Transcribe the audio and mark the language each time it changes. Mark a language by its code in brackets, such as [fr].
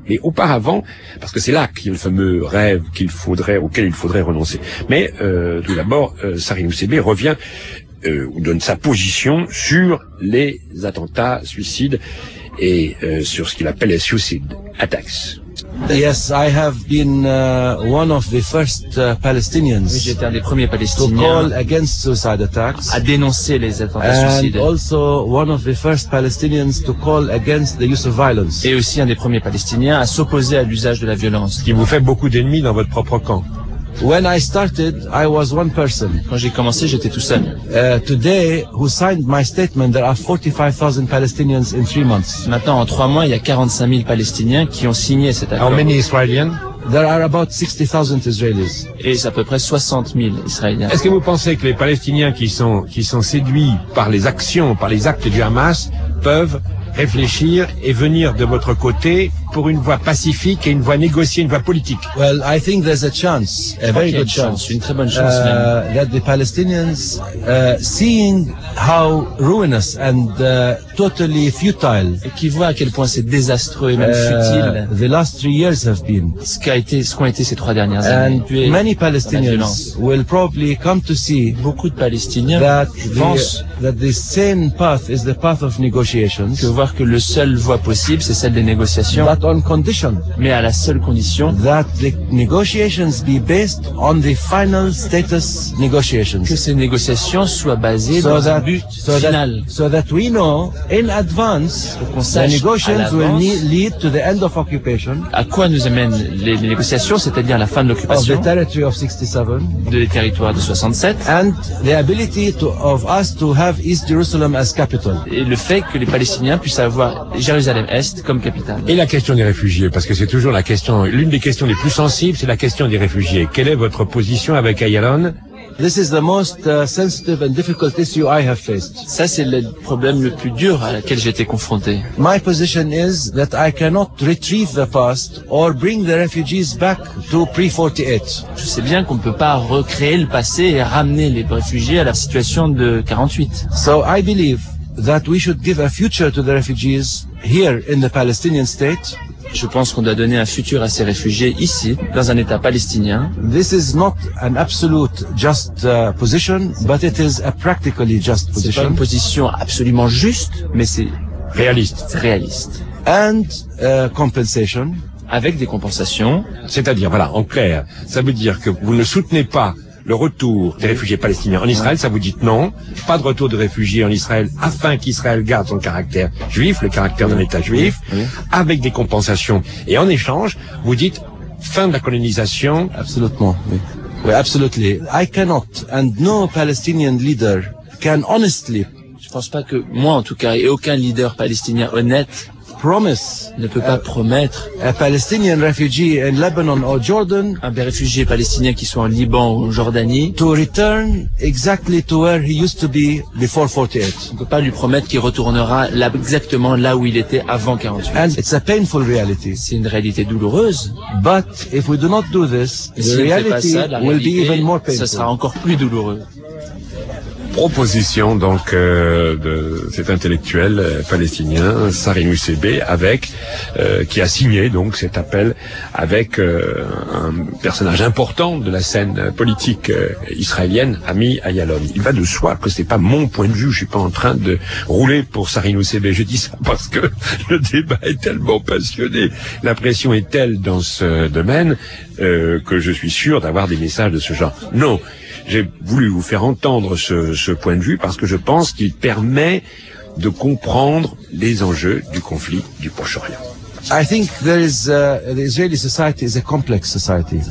[fr] Mais auparavant, parce que c'est là qu'il y a le fameux rêve auquel il faudrait renoncer, mais tout d'abord, Sari Moussebe revient ou donne sa position sur les attentats suicides et sur ce qu'il appelle les [en] suicide attacks. Yes, I have been one of the first Palestinians. [fr] Oui, j'étais un des premiers Palestiniens [en] to call against suicide attacks. [fr] À dénoncer les attentats suicides. [en] And also one of the first Palestinians to call against the use of violence. [fr] Et aussi un des premiers Palestiniens à s'opposer à l'usage de la violence. Qui vous fait beaucoup d'ennemis dans votre propre camp. [en] When I started, I was one person. [fr] Quand j'ai commencé, j'étais tout seul. [en] Today, who signed my statement, there are 45,000 Palestinians in 3 months. [fr] Maintenant, en 3 mois, il y a 45 000 Palestiniens qui ont signé cet accord. [en] How many Israelians? There are about 60,000 Israelis. [fr] Et c'est à peu près 60 000 Israéliens. Est-ce que vous pensez que les Palestiniens qui sont séduits par les actions, par les actes du Hamas, peuvent réfléchir et venir de votre côté pour une voie pacifique et une voie négociée, une voie politique? [en] Well, I think there's a chance, a very good chance, [fr] une très bonne chance même. [en] That the Palestinians, seeing how ruinous and totally futile, [fr] et qui voient à quel point c'est désastreux et même futile, [en] the last 3 years have been, [fr] ce qu'ont été ces 3 dernières années. [en] And many Palestinians will probably come to see, [fr] beaucoup de Palestiniens [en] that the same path is the path of negotiations, [fr] que voir que le seul voie possible c'est celle des négociations. [en] But on condition, [fr] mais à la seule condition, [en] that the negotiations be based on the final status negotiations, [fr] que ces négociations soient basées sur le but final, [en] so that we know in advance the negotiations will lead to the end of occupation, [fr] à quoi nous amènent les négociations, c'est-à-dire la fin de l'occupation, [en] of the territory of 67, [fr] de les territoires de 67, [en] and the ability of us to have East Jerusalem as capital, [fr] et le fait que les Palestiniens puissent avoir Jérusalem Est comme capitale. Et la question des réfugiés, parce que c'est toujours la question, l'une des questions les plus sensibles, c'est la question des réfugiés. Quelle est votre position avec Ayalon? [en] This is the most sensitive and difficult issue I have faced. [fr] Ça, c'est le problème le plus dur à laquelle j'ai été confronté. [en] My position is that I cannot retrieve the past or bring the refugees back to pre-48. [fr] Je sais bien qu'on ne peut pas recréer le passé et ramener les réfugiés à la situation de 48. [en] So I believe that we should give a future to the refugees here in the Palestinian state. [fr] Je pense qu'on doit donner un futur à ces réfugiés ici, dans un État palestinien. [en] This is not an absolute just position, but it is a practically just position. [fr] C'est pas une position absolument juste, mais c'est réaliste. [en] And compensation. [fr] Avec des compensations. C'est-à-dire, voilà, en clair, ça veut dire que vous ne soutenez pas le retour des réfugiés palestiniens en Israël, ça vous dites non. Pas de retour de réfugiés en Israël afin qu'Israël garde son caractère juif, le caractère d'un État juif, avec des compensations. Et en échange, vous dites fin de la colonisation. Absolument, oui. Oui, [en] absolutely. I cannot and no Palestinian leader can honestly, [fr] je pense pas que moi en tout cas, et aucun leader palestinien honnête, [en] promise, [fr] ne peut pas promettre [en] a Palestinian refugee in Lebanon or Jordan, [fr] un réfugié palestinien qui soit en Liban ou en Jordanie, [en] to return exactly to where he used to be before 48. [fr] On ne peut pas lui promettre qu'il retournera là, exactement là où il était avant 48. [en] And it's a painful reality. [fr] C'est une réalité douloureuse. [en] But if we do not do this, the reality will be even more painful. [fr] Ça sera encore plus douloureux. Proposition donc de cet intellectuel palestinien Sari Moussebe, avec qui a signé donc cet appel avec un personnage important de la scène politique israélienne, Ami Ayalon. Il va de soi que c'est pas mon point de vue, je suis pas en train de rouler pour Sari Moussebe. Je dis ça parce que le débat est tellement passionné, la pression est telle dans ce domaine que je suis sûr d'avoir des messages de ce genre. Non. J'ai voulu vous faire entendre ce point de vue parce que je pense qu'il permet de comprendre les enjeux du conflit du Proche-Orient. [en] I think there is the Israeli society is a complex society.